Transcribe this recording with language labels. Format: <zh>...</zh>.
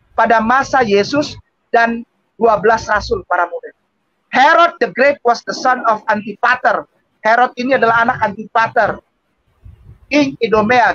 <id>pada masa Yesus dan 12 rasul para murid.</id> <en>Herod the Great was the son of Antipater.</en> <id>Herod ini adalah anak Antipater, King Idumea.</id>